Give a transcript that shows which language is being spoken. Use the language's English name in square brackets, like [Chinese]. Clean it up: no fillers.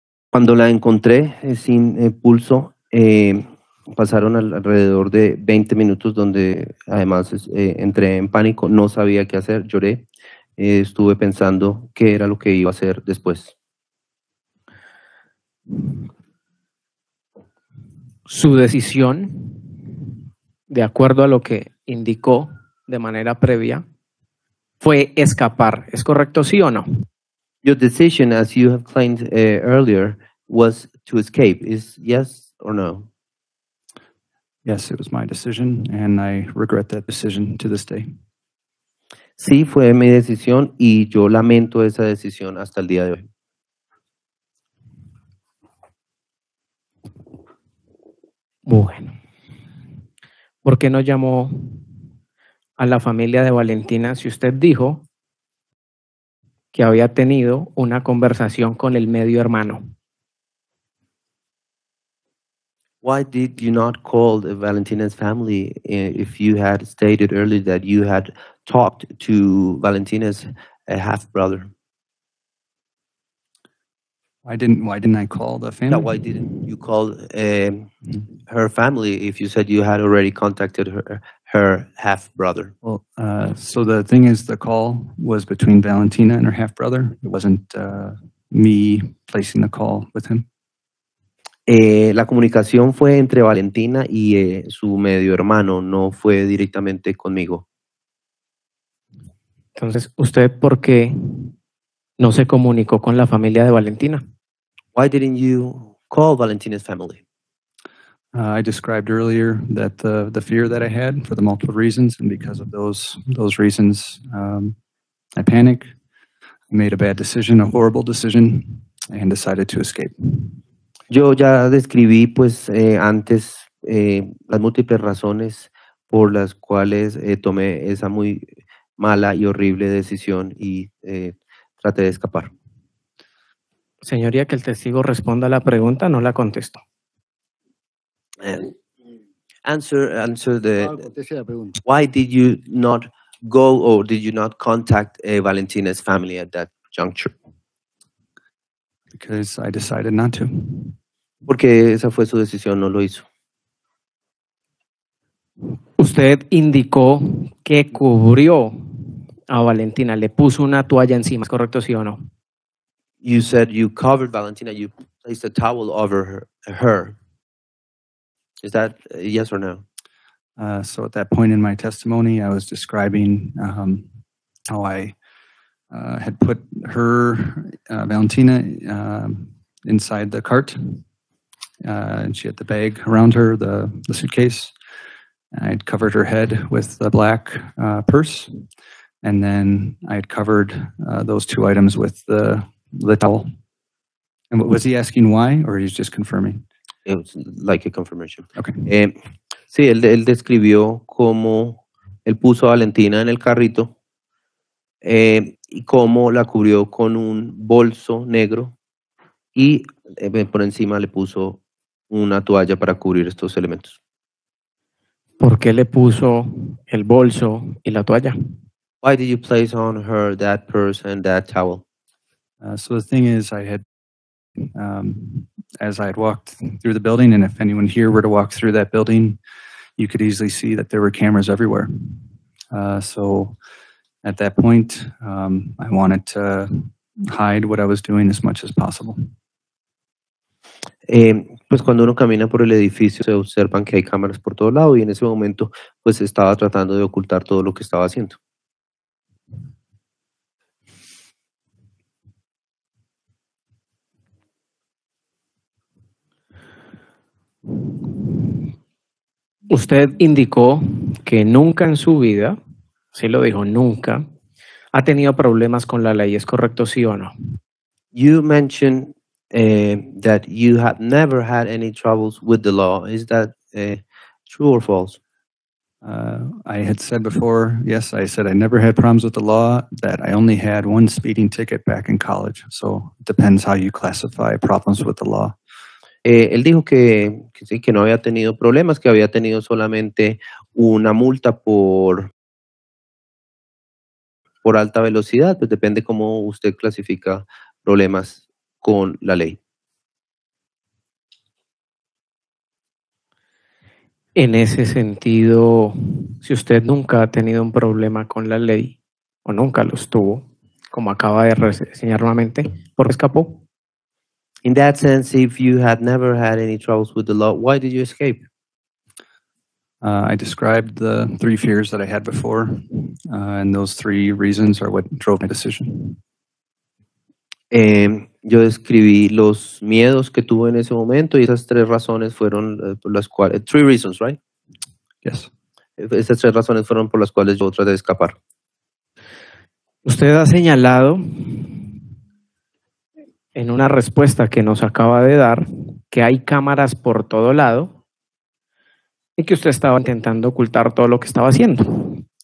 [Spanish] Cuando la encontré sin pulso, pasaron alrededor de 20 minutos donde además entré en pánico, no sabía qué hacer, lloré, estuve pensando qué era lo que iba a hacer después. Su decisión, de acuerdo a lo que indicó de manera previa, fue escapar, ¿es correcto sí o no? [English] Your decision, as you have claimed earlier, was to escape. Is yes or no? Yes, it was my decision, and I regret that decision to this day. [Spanish] Sí, fue mi decisión, y yo lamento esa decisión hasta el día de hoy. Bueno. ¿Por qué no llamó a la familia de Valentina si usted dijo que había tenido una conversación con el medio hermano? [English] Why did you not call Valentina's family if you had stated earlier that you had talked to Valentina's half brother? Why didn't I call the family? No, why didn't you call her family if you said you had already contacted her half brother? Well, so the thing is, the call was between Valentina and her half brother. It wasn't me placing the call with him. [Spanish] La comunicación fue entre Valentina y su medio hermano, no fue directamente conmigo. Entonces, ¿usted por qué no se comunicó con la familia de Valentina? [English] Why didn't you call Valentina's family? I described earlier that the fear that I had for the multiple reasons, and because of those reasons, I panicked, made a bad decision, a horrible decision, and decided to escape. [Spanish] Yo ya describí pues antes las múltiples razones por las cuales tomé esa muy mala y horrible decisión y traté de escapar. Señoría, que el testigo responda a la pregunta, no la contesto. [English] Answer the. Why did you not go or did you not contact Valentina's family at that juncture? Because I decided not to. [Spanish] Porque esa fue su decisión, no lo hizo. Usted indicó que cubrió a Valentina, le puso una toalla encima, ¿es correcto, sí o no? [English] You said you covered Valentina, you placed a towel over her. Is that a yes or no? So at that point in my testimony, I was describing how I had put her, Valentina, inside the cart. And she had the bag around her, the suitcase. I had covered her head with the black purse. And then I had covered those two items with the towel And was he asking why, or he's just confirming? It was like a confirmation. Okay. [Spanish] Sí, él describió cómo él puso a Valentina en el carrito y cómo la cubrió con un bolso negro y por encima le puso una toalla para cubrir estos elementos. ¿Por qué le puso el bolso y la toalla? [English] Why did you place on her that purse and that towel? So the thing is, I had, as I had walked through the building, and if anyone here were to walk through that building, you could easily see that there were cameras everywhere. So at that point, I wanted to hide what I was doing as much as possible. [Spanish] Pues cuando uno camina por el edificio se observan que hay cámaras por todo lado y en ese momento pues estaba tratando de ocultar todo lo que estaba haciendo. Usted indicó que nunca en su vida, sí lo dijo, nunca, ha tenido problemas con la ley, ¿es correcto, sí o no? [English] You mentioned that you have never had any troubles with the law. Is that true or false? I had said before, yes, I said I never had problems with the law, that I only had one speeding ticket back in college. So it depends how you classify problems with the law. [Spanish] Él dijo que sí, que no había tenido problemas, que había tenido solamente una multa por alta velocidad. Pues depende cómo usted clasifica problemas con la ley. En ese sentido, si usted nunca ha tenido un problema con la ley o nunca los tuvo, como acaba de reseñar nuevamente, ¿por qué escapó? [English] In that sense, if you had never had any troubles with the law, why did you escape? I described the three fears that I had before, and those three reasons are what drove my decision. [Spanish] Yo describí los miedos que tuve en ese momento y esas tres razones fueron por las cuales, [English] three reasons, right? Yes. [Spanish] Esas tres razones fueron por las cuales yo traté de escapar. Usted ha señalado en una respuesta que nos acaba de dar que hay cámaras por todo lado y que usted estaba intentando ocultar todo lo que estaba haciendo.